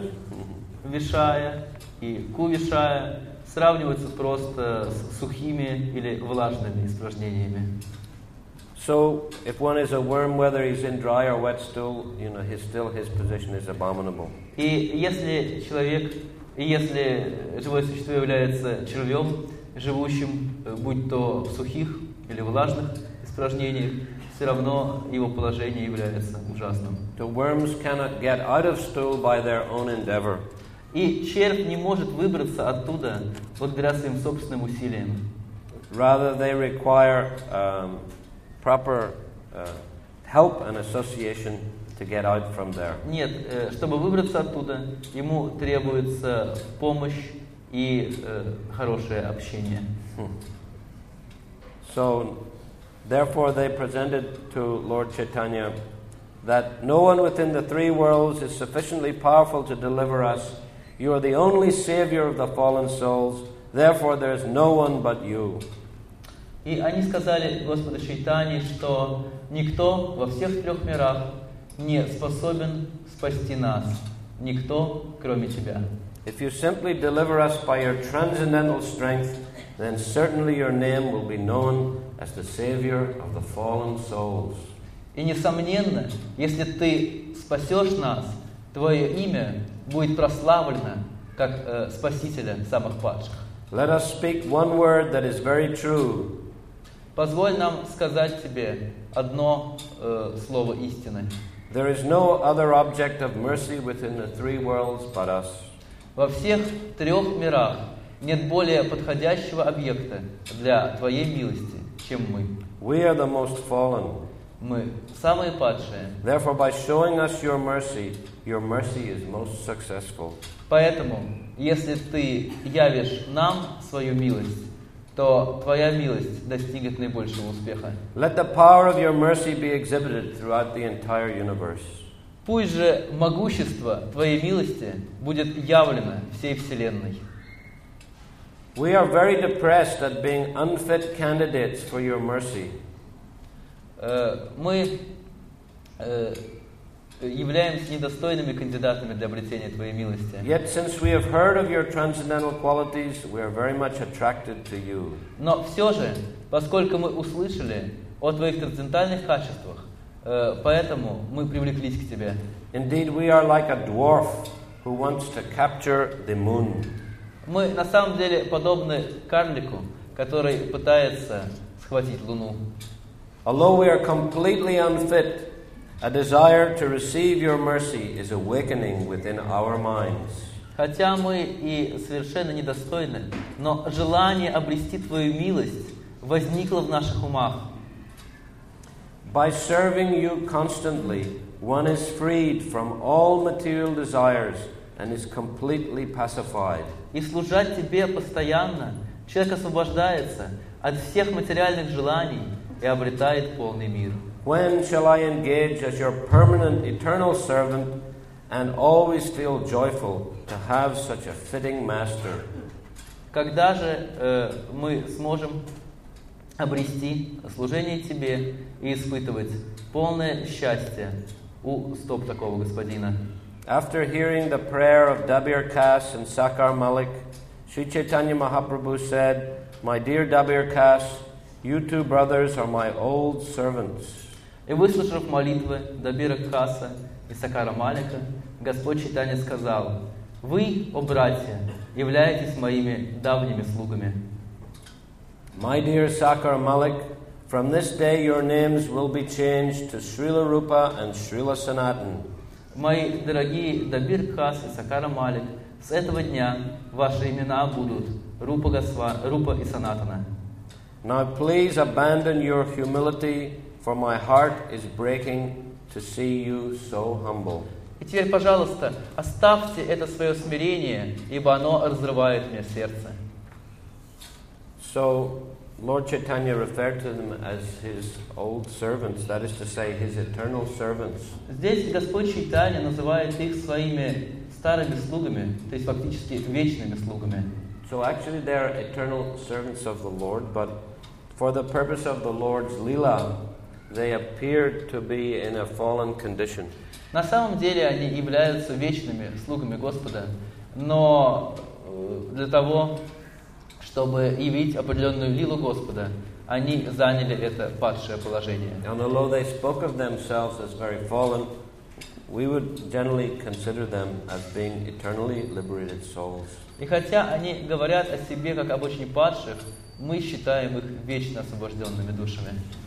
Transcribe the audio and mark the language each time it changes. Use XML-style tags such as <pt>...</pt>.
<ru>Su visai и ku visai сравниваются просто с сухими или влажными испражнениями.</ru> <en>So if one is a worm, whether he's in dry or wet stool, you know, his position is abominable.</en> <ru>И если человек, если живое существо является червем, живущим, будь то в сухих или влажных испражнениях, все равно его положение является ужасным.</ru> <en>The worms cannot get out of stool by their own endeavor.</en> <ru>И червь не может выбраться оттуда благодаря своим собственным усилиям.</ru> <en>Rather, they require proper help and association to get out from there.</en> <ru>Нет, чтобы выбраться оттуда, ему требуется помощь и хорошее общение.</ru> <en>So, therefore, they presented to Lord Chaitanya that no one within the three worlds is sufficiently powerful to deliver us. You are the only savior of the fallen souls. Therefore, there is no one but you.</en> <ru>И они сказали Господу Чайтанье, что никто во всех трех мирах не способен спасти нас. Никто, кроме тебя.</ru> <en>If you simply deliver us by your transcendental strength, then certainly your name will be known as the savior of the fallen souls.</en> <ru>И несомненно, если ты спасешь нас, твое имя будет прославлено как спасителя самых падших.</ru> <en>Let us speak one word that is very true.</en> <ru>Позволь нам сказать тебе одно слово истины.</ru> <en>There is no other object of mercy within the three worlds but us.</en> <ru>Во всех трех мирах нет более подходящего объекта для твоей милости, чем мы.</ru> <en>We are the most fallen.</en> <ru>Мы самые падшие.</ru> <en>Therefore, by showing us your mercy is most successful.</en> <ru>Поэтому, если ты явишь нам свою милость, то твоя милость достигнет наибольшего успеха.</ru> <en>Let the power of your mercy be exhibited throughout the entire universe.</en> <ru>Пусть же могущество твоей милости будет явлено всей вселенной.</ru> <en>We are very depressed at being unfit candidates for your mercy.</en> <ru>Мы являемся недостойными кандидатами для обретения твоей милости.</ru> <en>Yet since we have heard of your transcendental qualities, we are very much attracted to you.</en> <ru>Но все же, поскольку мы услышали о твоих трансцендентальных качествах, поэтому мы привлеклись к тебе.</ru> <en>Indeed, we are like a dwarf who wants to capture the moon.</en> <ru>Мы на самом деле подобны карлику, который пытается схватить луну.</ru> <en>Although we are completely unfit, a desire to receive your mercy is awakening within our minds.</en> <ru>Хотя мы и совершенно недостойны, но желание обрести твою милость возникло в наших умах.</ru> <en>By serving you constantly, one is freed from all material desires and is completely pacified.</en> <ru>И служать тебе постоянно, человек освобождается от всех материальных желаний и обретает полный мир.</ru> <en>When shall I engage as your permanent eternal servant and always feel joyful to have such a fitting master?</en> <ru>Когда же мы сможем обрести служение тебе и испытывать полное счастье у стоп такого господина?</ru> <en>After hearing the prayer of Dabir Kas and Sakar Malik, Sri Chaitanya Mahaprabhu said, "My dear Dabir Kas, you two brothers are my old servants."</en> <ru>И выслушав молитвы Дабира Каса и Сакара Малика, Господь Чайтанья сказал: «Вы, о братья, являетесь моими давними слугами».</ru> <en>My dear Sakara Malik, from this day your names will be changed to Srila Rupa and Srila Sanatan.</en> <ru>Мои дорогие Дабир Кас и Сакара Малик, с этого дня ваши имена будут Рупа, Рупа и Санатана.</ru> <en>Now please abandon your humility, for my heart is breaking to see you so humble.</en> <ru>И теперь, пожалуйста, оставьте это свое смирение, ибо оно разрывает мне сердце.</ru> <en>So, Lord Chaitanya referred to them as his old servants, that is to say, his eternal servants.</en> <ru>Здесь Господь Чайтанья называет их своими старыми слугами, то есть фактически вечными слугами.</ru> <en>So actually they are eternal servants of the Lord, but for the purpose of the Lord's lila, they appear to be in a fallen condition.</en> <ru>На самом деле они являются вечными слугами Господа, но для того, чтобы явить определенную лилу Господа, они заняли это падшее положение.</ru> <en>And although they spoke of themselves as very fallen, we would generally consider them as being eternally liberated souls.</en> <ru>И хотя они говорят о себе как об очень падших, мы считаем их вечно освобожденными душами.</ru>